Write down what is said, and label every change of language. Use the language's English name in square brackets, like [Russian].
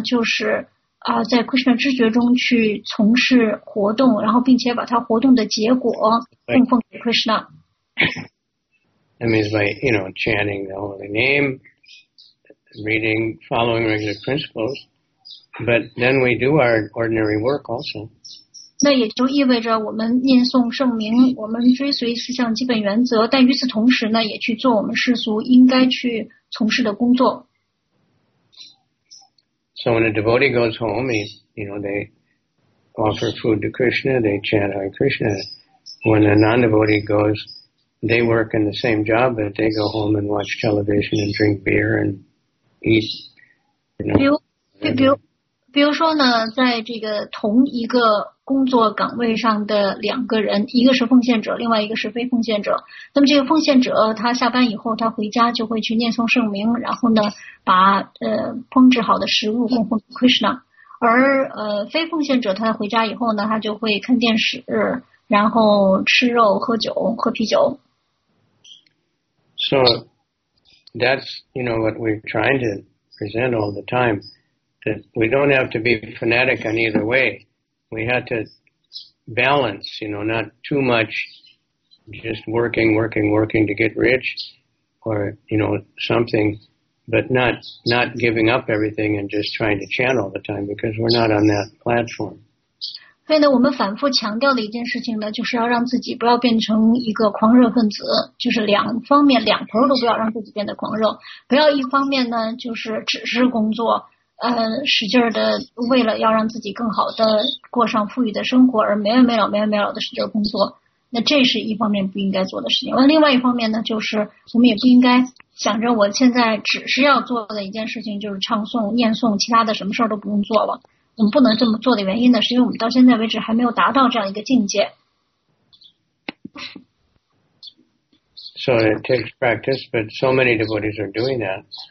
[Chinese] 就是在 Krishna 知觉中去从事活动，然后并且把他活动的结果供奉给 Krishna。 [English] That means by, you know, chanting the holy name, reading, following regular principles, but then we do our ordinary work also. [Chinese] 那也就意味着我们念诵圣名，我们追随四项基本原则，但与此同时呢，也去做我们世俗应该去从事的工作。 [English] So when a devotee goes home, you know, they offer food to Krishna, they chant Hare Krishna. When a non-devotee goes, they work in the same job, but they go home and watch television and drink beer and eat, you know, whatever. [Chinese] 比如说呢，在这个同一个工作岗位上的两个人，一个是奉献者，另外一个是非奉献者。那么这个奉献者他下班以后，他回家就会去念诵圣名，然后呢把烹制好的食物供奉 Krishna。而非奉献者他回家以后呢，他就会看电视，然后吃肉喝酒喝啤酒。 [English] So that's, you know, what we're trying to present all the time, that we don't have to be fanatic on either way. We have to balance, you know, not too much just working to get rich or, you know, something, but not giving up everything and just trying to chant all the time, because we're not on that platform. [Chinese] 所以呢，我们反复强调的一件事情呢，就是要让自己不要变成一个狂热分子，就是两方面两头都不要让自己变得狂热，不要一方面呢就是只是工作，使劲的为了要让自己更好的过上富裕的生活而没完没了没完没了的使劲工作，那这是一方面不应该做的事情。另外一方面呢，就是我们也不应该想着我现在只是要做的一件事情就是唱诵念诵，其他的什么事都不用做了。我们不能这么做的原因呢，是因为我们到现在为止还没有达到这样一个境界。 [English] So it takes practice, but so many devotees are doing that.